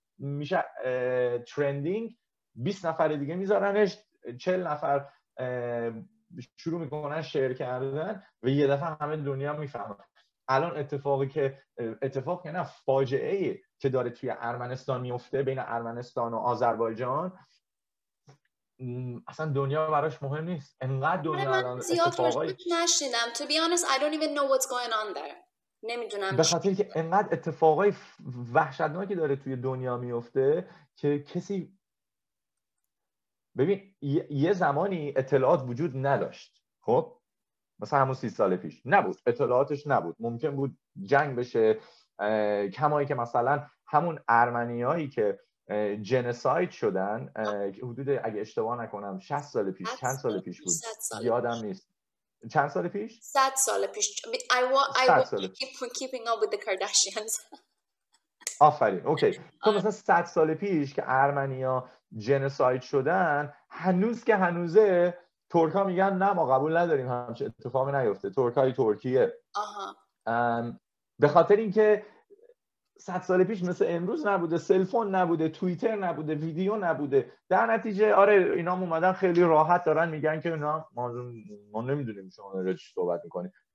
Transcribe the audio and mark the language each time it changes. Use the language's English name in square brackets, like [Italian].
[Persian] میشه ترندینگ، 20 نفر دیگه میذارنش، 40 نفر شروع میکنن شیر کردن و یه دفعه همه دنیا میفهمن. الان اتفاقی که فاجعه ای که داره توی ارمنستان میفته بین ارمنستان و آذربایجان، اصلا دنیا براش مهم نیست. انقدر دنیا الان اتفاقایی من زیاد روش نشنیدم. [English] To be honest, I don't even know what's going on there. [Persian] نمیدونم. به خاطر که انقدر اتفاقای وحشتناکی داره توی دنیا میفته که کسی ببین، یه زمانی اطلاعات وجود نداشت. خب؟ مثلا همون 30 سال پیش نبود، اطلاعاتش نبود، ممکن بود جنگ بشه، کمایی که مثلا همون ارمنیایی که جنساید شدن که حدود اگه اشتباه نکنم 60 سال پیش، چند سال پیش بود یادم نیست، چند سال پیش؟ 100 سال پیش. [English] I keep keeping up with the Kardashians. [Persian] آفرین، اوکی. تو مثلا 100 سال پیش که ارمنیا جنساید شدن، هنوز که هنوزه ترک ها میگن نه ما قبول نداریم همچه اتفاقی نیفته، ترک های ترکیه. به خاطر اینکه 100 سال پیش مثل امروز نبوده، سلفون نبوده، توییتر نبوده، ویدیو نبوده، در نتیجه آره اینا هم اومدن خیلی راحت دارن میگن که نه ما نمیدونیم شما رو چی صحبت میکنیم.